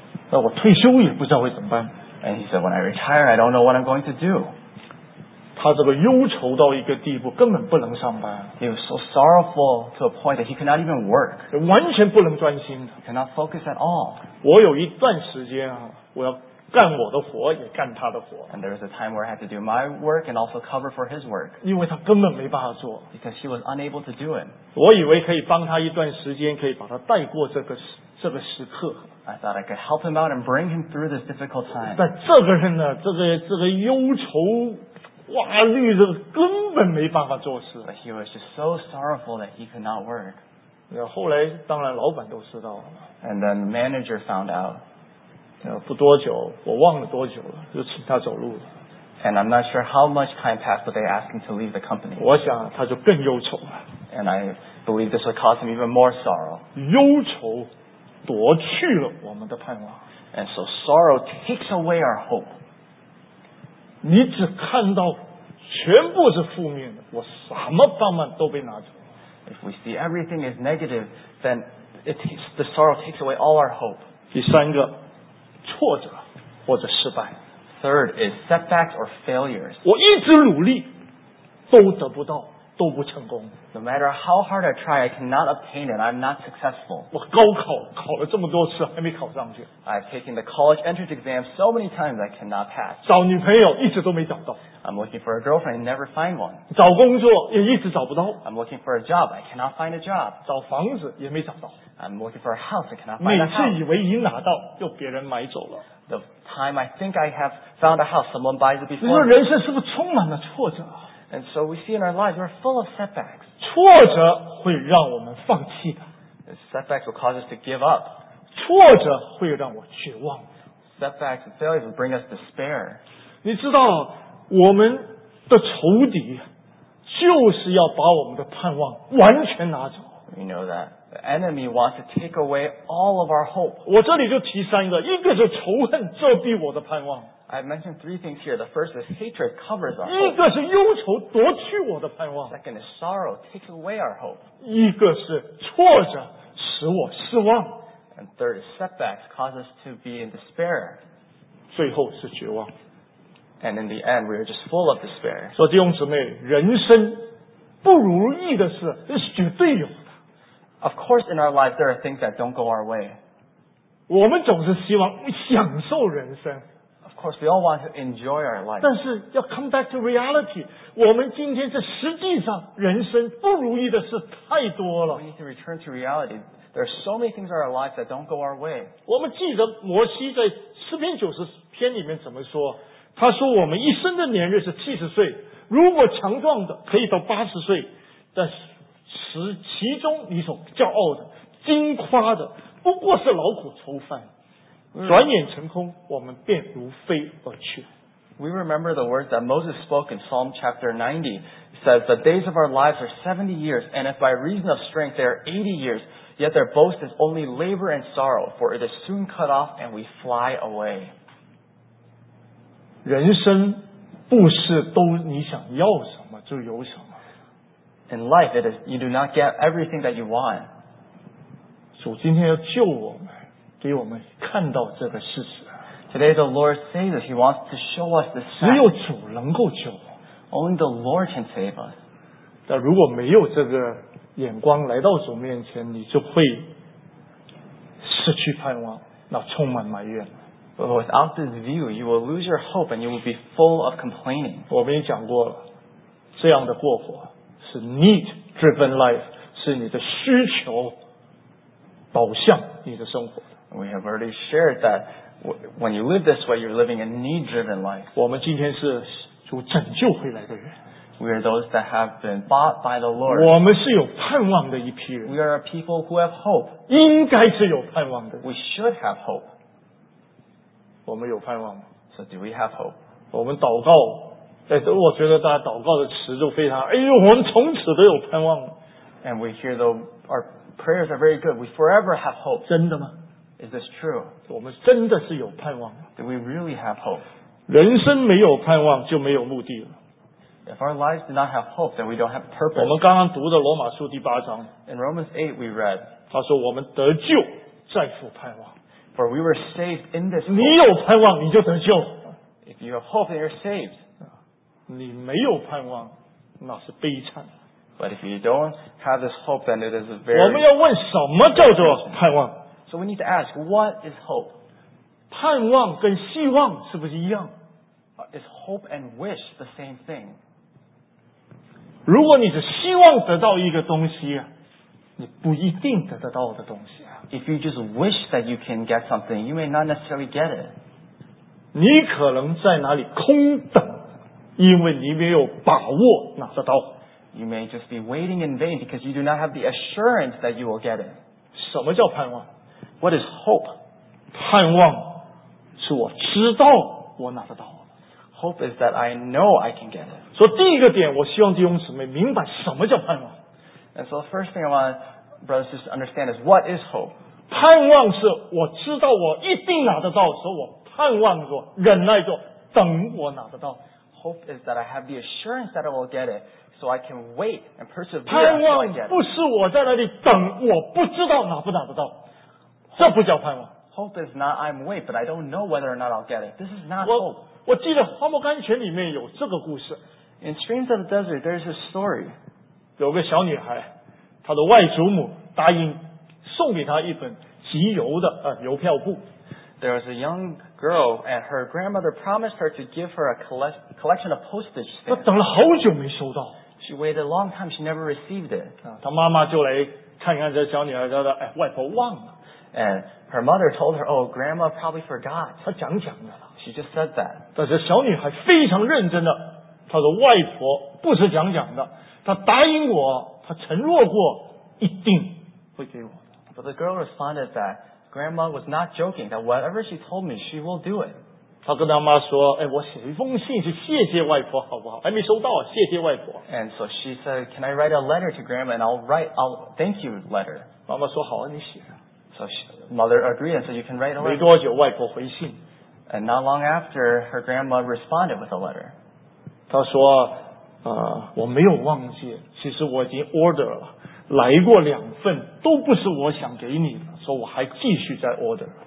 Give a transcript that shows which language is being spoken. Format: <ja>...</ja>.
<zh>那我退休也不知道会怎么办。</zh> <en>And he said, when I retire, I don't know what I'm going to do.</en> <zh>他这个忧愁到一个地步，根本不能上班。</zh> <en>He was so sorrowful to a point that he could not even work.</en> <zh>完全不能专心的。</zh> <en>Cannot focus at all.</en> <zh>我有一段时间我要干我的活也干他的活。</zh> <en>And there was a time where I had to do my work and also cover for his work.</en> <zh>因为他根本没办法做。</zh> <en>Because he was unable to do it.</en> <zh>我以为可以帮他一段时间，可以把他带过这个时刻。</zh> <en>I thought I could help him out and bring him through this difficult time.</en> <zh>但这个人呢，这个忧愁哇，绿的根本没办法做事。</zh> <en>But he was just so sorrowful that he could not work.</en> <zh>后来当然老板都知道了。</zh> <en>And then the manager found out.</en> <zh>不多久，我忘了多久了，就请他走路了。</zh> <en>And I'm not sure how much time passed, but they asked him to leave the company.</en> <zh>我想他就更忧愁了。</zh> <en>And I believe this would cause him even more sorrow.</en> <zh>忧愁夺去了我们的盼望。</zh> <en>And so sorrow takes away our hope.</en> <zh>你只看到全部是负面的，我什么盼望都被拿走了。</zh> <en>If we see everything is negative, then the sorrow takes away all our hope.</en> <zh>第三个，挫折或者失败。</zh> <en>Third is setbacks or failures.</en> <zh>我一直努力，都得不到，都不成功。</zh> <en>No matter how hard I try, I cannot obtain it. I'm not successful.</en> <zh>我高考考了这么多次，还没考上去。</zh> <en>I've taken the college entrance exam so many times I cannot pass.</en> <zh>找女朋友一直都没找到。</zh> <en>I'm looking for a girlfriend, never find one.</en> <zh>找工作也一直找不到。</zh> <en>I'm looking for a job, I cannot find a job.</en> <zh>找房子也没找到。</zh> <en>I'm looking for a house, I cannot find a house.</en> <zh>每次以为已拿到，又别人买走了。</zh> <en>The time I think I have found a house, someone buys it before.</en> <zh>你说人生是不是充满了挫折？</zh> <en>And so we see in our lives we're full of setbacks.</en> <zh>挫折会让我们放弃的。</zh> <en>Setbacks will cause us to give up.</en> <zh>挫折会让我绝望。</zh> <en>Setbacks and failures will bring us despair.</en> <zh>你知道我们的仇敌就是要把我们的盼望完全拿走。</zh> <en>You know that. The enemy wants to take away all of our hope.</en> <zh>我这里就提三个，一个是仇恨遮蔽我的盼望。</zh> <en>I mentioned three things here. The first is hatred covers our hope.</en> <zh>一个是忧愁夺去我的盼望。</zh> <en>Second is sorrow takes away our hope.</en> <zh>一个是挫折使我失望。</zh> <en>And third is setbacks cause us to be in despair.</en> <zh>最后是绝望。</zh> <en>And in the end, we are just full of despair.</en> <zh>说弟兄姊妹，人生不如意的事这是绝对有的。</zh> <en>Of course, in our life, there are things that don't go our way.</en> <zh>我们总是希望享受人生。</zh> <en>Of course, we all want to enjoy our life.</en> <zh>但是要</zh> <en>come back to reality.</en> <zh>我们今天这实际上人生不如意的事太多了。</zh> <en>We need to return to reality. There are so many things in our life that don't go our way.</en> <zh>我们记得摩西在诗篇九十篇里面怎么说？他说我们一生的年日是七十岁，如果强壮的可以到八十岁，但是其中你所骄傲的、矜夸的，不过是劳苦愁烦。转眼成空，我们便如飞而去。</zh> <en>We remember the words that Moses spoke in Psalm chapter 90. He says the days of our lives are 70 years, and if by reason of strength they are 80 years, yet their boast is only labor and sorrow, for it is soon cut off and we fly away.</en> <zh>人生不是都你想要什么就有什么。</zh> <en>In life, it is, you do not get everything that you want.</en> <zh>主今天要救我们，给我们看到这个事实。</zh> <en>Today the Lord says that He wants to show us this fact.</en> <zh>只有主能够救我。</zh> <en>Only the Lord can save us.</en> <zh>但如果没有这个眼光来到主面前，你就会失去盼望，那充满埋怨。</zh> <en>But without this view, you will lose your hope and you will be full of complaining.</en> <zh>我们也讲过了，这样的过火是</zh> <en>need-driven life,</en> <zh>是你的需求导向你的生活。</zh> <en>We have already shared that when you live this way, you're living a need-driven life.</en> <zh>我们今天是主拯救回来的人。</zh> <en>We are those that have been bought by the Lord.</en> <zh>我们是有盼望的一批人。</zh> <en>We are a people who have hope.</en> <zh>应该是有盼望的。</zh> <en>We should have hope.</en> <zh>我们有盼望吗？</zh> <en>So do we have hope?</en> <zh>我们祷告，我觉得大家祷告的词就非常，哎呦，我们从此都有盼望了。</zh> <en>And we hear though our prayers are very good. We forever have hope.</en> <zh>真的吗？</zh> <en>Is this true?</en> <zh>我们真的是有盼望。</zh> <en>Do we really have hope?</en> <zh>人生没有盼望就没有目的了。</zh> <en>If our lives do not have hope, then we don't have purpose.</en> <zh>我们刚刚读的罗马书第八章。</zh> <en>In Romans 8 we read.</en> <zh>他说我们得救，再复盼望。</zh> <en>For we were saved in this hope.</en> <zh>你有盼望你就得救。</zh> <en>If you have hope, then you're saved.</en> <zh>你没有盼望那是悲惨。</zh> <en>But if you don't have this hope, then it is a very...</en> <zh>我们要问什么叫做盼望。</zh> <en>So we need to ask, what is hope?</en> <zh>盼望跟希望是不是一样？</zh> <en>Is hope and wish the same thing?</en> <zh>如果你是希望得到一个东西啊，你不一定得得到的东西啊。</zh> <en>If you just wish that you can get something, you may not necessarily get it.</en> <zh>你可能在哪里空等，因为你没有把握拿得到。</zh> <en>You may just be waiting in vain because you do not have the assurance that you will get it.</en> <zh>什么叫盼望？</zh> <en>What is hope?</en> <zh>盼望是我知道我拿得到。</zh> <en>Hope is that I know I can get it.</en> <zh>所以第一个点，我希望弟兄姊妹明白什么叫盼望。</zh> <en>And so the first thing I want brothers just to understand is what is hope?</en> <zh>盼望是我知道我一定拿得到，所以我盼望着，忍耐着，等我拿得到。</zh> <en>Hope is that I have the assurance that I will get it, so I can wait and persevere.</en> <zh>盼望不是我在那里等，我不知道拿不拿得到，这不叫盼望。</zh> <en>Hope is not I'm wait, but I don't know whether or not I'll get it. This is not hope.</en> <zh>我记得《荒漠甘泉》里面有这个故事。</zh> <en>In Streams of the Desert, there's a story.</en> <zh>有个小女孩，她的外祖母答应送给她一本集邮的邮票簿。</zh> <en>There was a young girl and her grandmother promised her to give her a collection of postage stamps.</en> <zh>她等了好久没收到。</zh> <en>She waited a long time. She never received it.</en> <zh>她妈妈就来看看这小女孩，她说：“哎，外婆忘了。</zh> <en>”And her mother told her, "Oh, grandma probably forgot."</en> <zh>她讲讲的了。</zh> <en>She just said that.</en> <zh>但是小女孩非常认真的，她说：“外婆不是讲讲的。” 他答应我，他承诺过，一定会给我。</zh> <en>But the girl responded that grandma was not joking. That whatever she told me, she will do it.</en> <zh>他跟他妈说：“哎，我写一封信去谢谢外婆，好不好？还没收到，谢谢外婆。”</zh> <en>And so she said, "Can I write a letter to grandma? And I'll thank you letter."</en> <zh>妈妈说：“好啊，你写。”</zh> <en>So mother agreed, and so you can write a letter.</en> <zh>没多久，外婆回信。</zh> <en>And not long after, her grandma responded with a letter.</en> <zh>她说。我没有忘记，其实我已经 order 了，来过两份，都不是我想给你的，所以我还继续在 order。</zh>